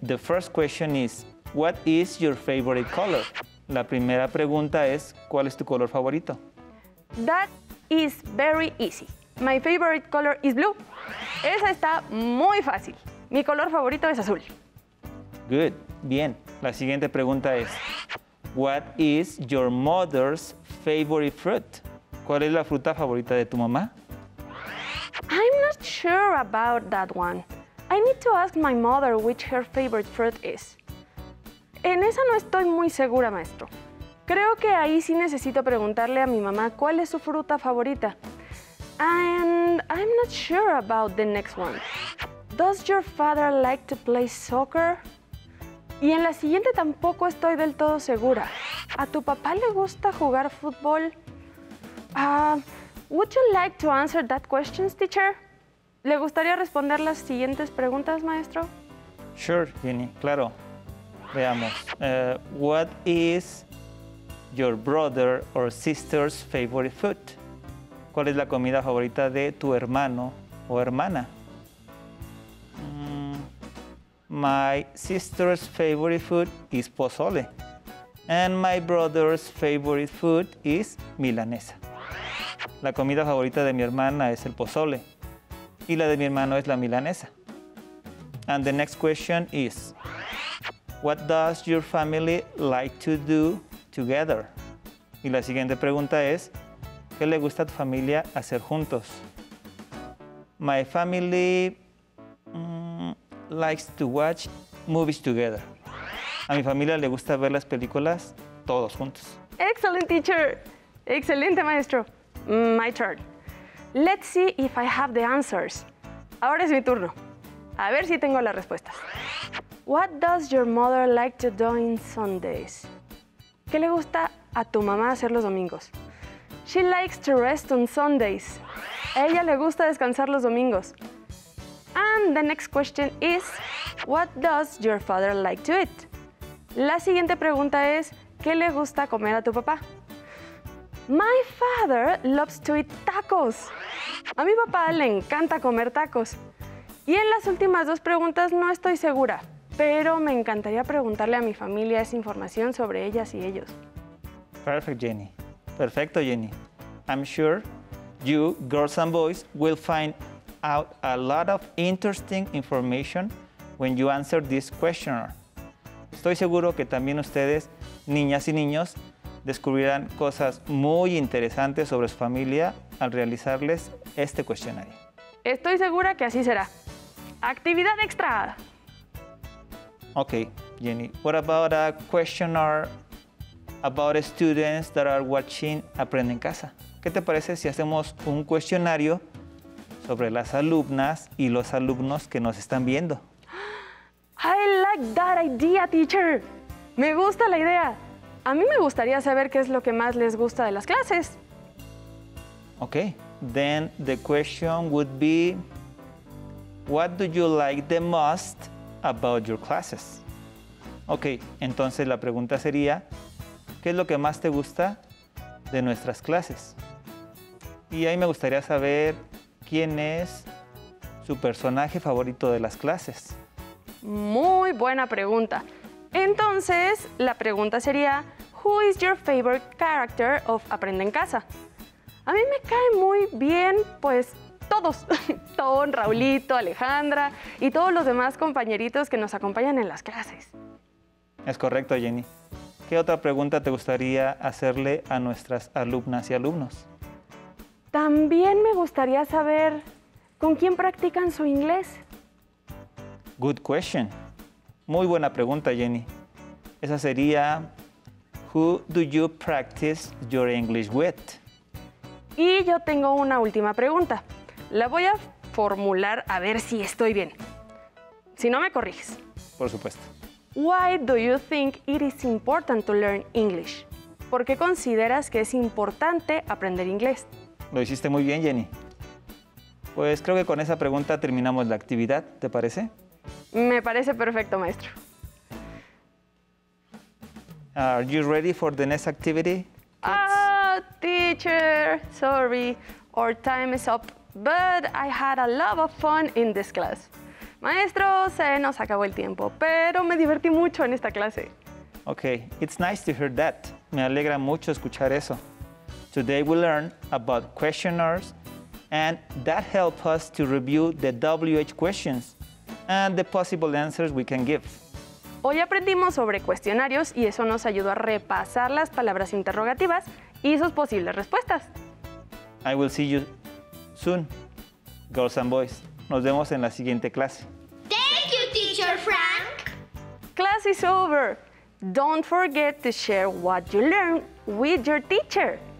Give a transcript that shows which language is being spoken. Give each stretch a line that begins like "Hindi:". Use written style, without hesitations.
English: The first question is, what is your favorite color?
Spanish: La primera pregunta es, ¿cuál es tu color favorito?
English: That is very easy. My favorite color is blue.
Spanish: Esa está muy fácil. Mi color favorito es azul.
English: Good.
Spanish: Bien. La siguiente pregunta es,
English: what is your mother's favorite fruit?
Spanish: ¿Cuál es la fruta favorita de tu mamá?
English: I'm not sure about that one. I need to ask my mother which her favorite fruit is.
Spanish: En esa no estoy muy segura, maestro. Creo que ahí sí necesito preguntarle a mi mamá cuál es su fruta favorita.
English: And I'm not sure about the next one. Does your father like to play soccer?
Spanish: Y en la siguiente tampoco estoy del todo segura. ¿A tu papá le gusta jugar fútbol?
English: Would you like to answer that question, teacher?
Spanish: ¿Le gustaría responder las siguientes preguntas, maestro?
English: Sure,
Spanish: Jenny, claro. Veamos.
English: What is your brother or sister's favorite food?
Spanish: ¿Cuál es la comida favorita de tu hermano o hermana?
English: My sister's favorite food is pozole. And my brother's favorite food is milanesa.
Spanish: La comida favorita de mi hermana es el pozole. Y la de mi hermano es la milanesa.
English: And the next question is, what does your family like to do together?
Spanish: Y la siguiente pregunta es, ¿qué le gusta a tu familia hacer juntos?
English: My family likes to watch movies together.
Spanish: A mi familia le gusta ver las películas todos juntos.
English: Excellent, teacher.
Spanish: Excelente, maestro.
English: My turn. Let's see if I have the answers.
Spanish: Ahora es mi turno. A ver si tengo las respuestas.
English: What does your mother like to do on Sundays?
Spanish: ¿Qué le gusta a tu mamá hacer los domingos?
English: She likes to rest on Sundays.
Spanish: Ella le gusta descansar los domingos.
English: And the next question is, what does your father like to eat?
Spanish: La siguiente pregunta es, ¿qué le gusta comer a tu papá?
English: My father loves to eat tacos.
Spanish: A mi papá le encanta comer tacos. Y en las últimas dos preguntas no estoy segura, pero me encantaría preguntarle a mi familia esa información sobre ellas y ellos.
English: Perfect, Jenny.
Spanish: Perfecto,
English: Jenny. I'm sure you, girls and boys, will find out a lot of interesting information when you answer this questionnaire.
Spanish: Estoy seguro que también ustedes, niñas y niños, descubrirán cosas muy interesantes sobre su familia al realizarles este cuestionario. Estoy segura que así será. ¡Actividad extra!
English: Okay, Jenny, what about a questionnaire about students that are watching Aprende en Casa?
Spanish: ¿Qué te parece si hacemos un cuestionario sobre las alumnas y los alumnos que nos están viendo?
English: I like that idea, teacher.
Spanish: Me gusta la idea. A mí me gustaría saber qué es lo que más les gusta de las clases.
English: Okay, then the question would be, what do you like the most about your classes?
Spanish: Okay, entonces la pregunta sería, ¿qué es lo que más te gusta de nuestras clases? Y ahí me gustaría saber quién es su personaje favorito de las clases. Muy buena pregunta. Entonces, la pregunta sería,
English: ¿who is your favorite character of
Spanish: Aprende en Casa? A mí me cae muy bien, pues, todos. Ton, Raulito, Alejandra y todos los demás compañeritos que nos acompañan en las clases. Es correcto, Jenny. ¿Qué otra pregunta te gustaría hacerle a nuestras alumnas y alumnos? También me gustaría saber, ¿con quién practican su inglés?
English: Good question.
Spanish: Muy buena pregunta, Jenny. Esa sería,
English: ¿who do you practice your English with?
Spanish: Y yo tengo una última pregunta. La voy a formular a ver si estoy bien. Si no, me corriges. Por supuesto.
English: Why do you think it is important to learn English?
Spanish: ¿Por qué consideras que es importante aprender inglés? Lo hiciste muy bien, Jenny. Pues creo que con esa pregunta terminamos la actividad, ¿te parece? Me parece perfecto, maestro.
English: Are you ready for the next activity, kids? Teacher, sorry, our time is up, but I had a lot of fun in this class.
Spanish: Maestro, se nos acabó el tiempo, pero me divertí mucho en esta clase.
English: Okay, it's nice to hear that.
Spanish: Me alegra mucho escuchar eso.
English: Today we learn about questioners, and that helps us to review the WH questions and the possible answers we can give.
Spanish: Hoy aprendimos sobre cuestionarios y eso nos ayudó a repasar las palabras interrogativas y sus posibles respuestas.
English: I will see you soon, girls and boys.
Spanish: Nos vemos en la siguiente clase.
English: Thank you, Teacher Frank. Class is over. Don't forget to share what you learned with your teacher.